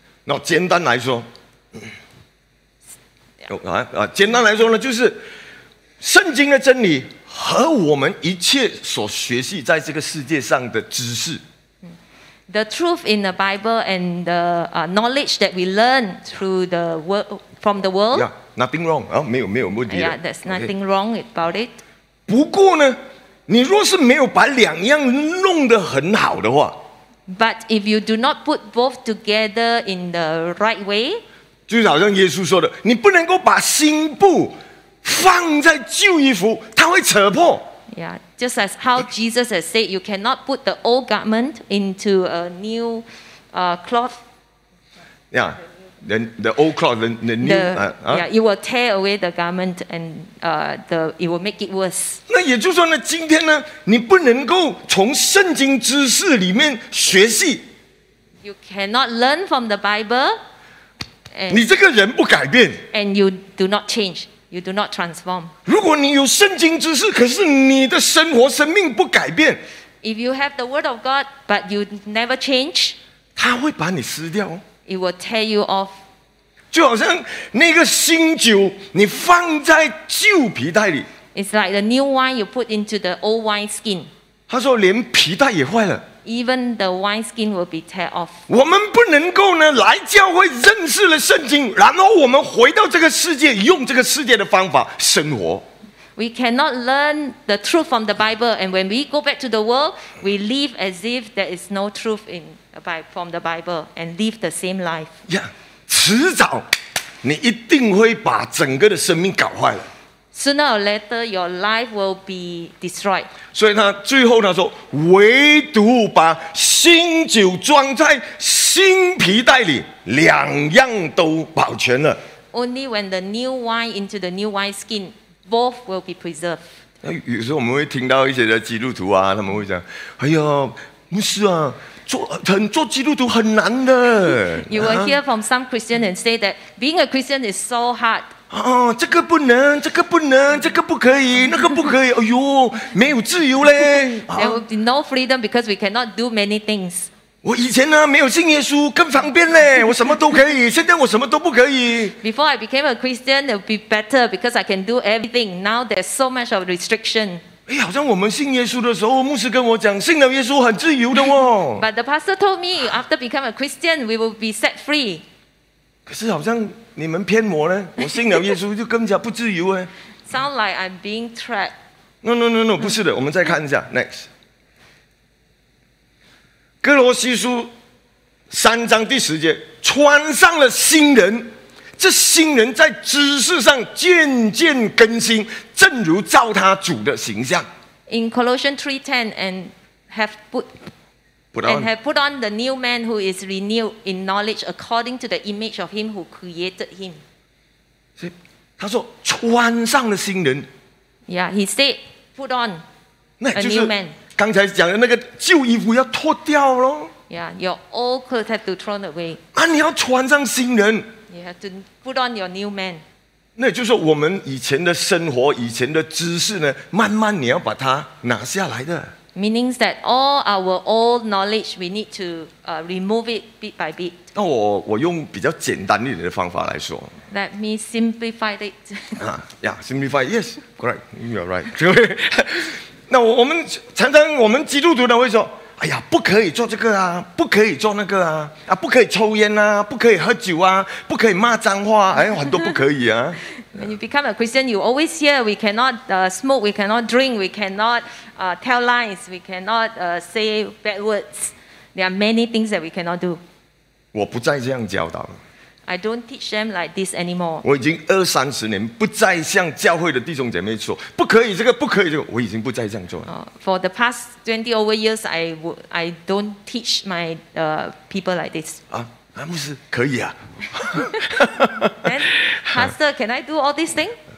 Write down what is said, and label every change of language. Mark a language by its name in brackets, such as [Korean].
[Chinese] 那简单来说，简单来说呢，就是圣经的真理和我们一切所学习在这个世界上的知识。 [English] The truth in the Bible and the knowledge that we learn through the world from the world. Yeah, nothing wrong. [Chinese] 没有问题的。 [English] Yeah, there's nothing wrong about it. [Chinese] 不过呢，你若是没有把两样弄得很好的话 [English] ，But if you do not put both together in the right way， [Chinese] 就好像耶稣说的，你不能够把新布放在旧衣服，它会扯破。 [English] Yeah, just as how Jesus has said, you cannot put the old garment into a new cloth. Yeah, then the old cloth, the new. Yeah, it will tear away the garment and it will make it worse. [Chinese] 那也就是说呢，今天呢，你不能够从圣经知识里面学习。 [English] You cannot learn from the Bible. [Chinese] 你这个人不改变。 [English] And you do not change. You do not transform. [Chinese] 如果你有圣经知识，可是你的生活生命不改变 [English] ，If you have the word of God but you never change, [Chinese] 它会把你撕掉。 [English] It will tear you off. [Chinese] 就好像那个新酒，你放在旧皮袋里 [English] ，It's like the new wine you put into the old wine skin. [Chinese] 他说连皮袋也坏了 [English] ，Even the wine skin will be tear off. [Chinese] 我们不能够呢来教会认识了圣经，然后我们回到这个世界，用这个世界的方法生活。 [English] We cannot learn the truth from the Bible, and when we go back to the world, we live as if there is no truth in from the Bible, and live the same life. [Chinese] Yeah, 迟早你一定会把整个的生命搞坏了。 [English] Sooner or later, your life will be destroyed. [Chinese] 所以他最后他说，唯独把新酒装在新皮袋里，两样都保全了。 [English] Only when the new wine into the new wine skin, both will be preserved. [Chinese] 那有时候我们会听到一些的基督徒啊，他们会讲，哎呀，牧师啊，做基督徒很难的。 [English] You will hear from some Christians and say that being a Christian is so hard. [Chinese] 哦，这个不能，这个不能，这个不可以，那个不可以。哎呦，没有自由嘞！ [English] There will be no freedom because we cannot do many things. [Chinese] 我以前呢，没有信耶稣更方便嘞，我什么都可以。现在我什么都不可以。 [English] Before I became a Christian, it would be better because I can do everything. Now there's so much of restriction. [Chinese] 哎，好像我们信耶稣的时候，牧师跟我讲，信了耶稣很自由的哦。 [English] But the pastor told me after become a Christian, we will be set free. [Chinese] 可是好像。你们骗我呢？我信了耶稣就更加不自由哎。 [English] Sound like I'm being trapped. No, [Chinese] 不是的。我们再看一下 next。哥罗西书三章第十节，穿上了新人，这新人在知识上渐渐更新，正如照他主的形象。 [English] In Colossians 3:10 and have put on the new man who is renewed in knowledge according to the image of him who created him. [Chinese] 他说穿上了新人。 [English] Yeah, he said, put on a new man. [Chinese] 刚才讲的那个旧衣服要脱掉咯。 [English] Yeah, your old clothes have to thrown away. [Chinese] 啊，你要穿上新人。 [English] You have to put on your new man. [Chinese] 那就是我们以前的生活，以前的知识呢，慢慢你要把它拿下来的。 [English] Meaning that all our old knowledge, we need to remove it bit by bit. [Chinese] 那我用比较简单一点的方法来说。 [English] Let me simplify it. simplify. Yes, correct. You are right. [Chinese] 那我们常常我们基督徒呢会说，哎呀，不可以做这个啊，不可以做那个啊，不可以抽烟啊，不可以喝酒啊，不可以骂脏话，哎，很多不可以啊。 [English] When you become a Christian, you always hear we cannot smoke, we cannot drink, we cannot tell lies, we cannot say bad words. There are many things that we cannot do. [Chinese] 我不再这样教导。 [English] I don't teach them like this anymore. [Chinese] 我已经二三十年不再向教会的弟兄姐妹说，不可以这个，不可以这个，我已经不再这样做了。 [English] For the past 20 over years, I don't teach my people like this. [Chinese] 啊，牧师可以啊。 [English] Then, Pastor, can I do all these things?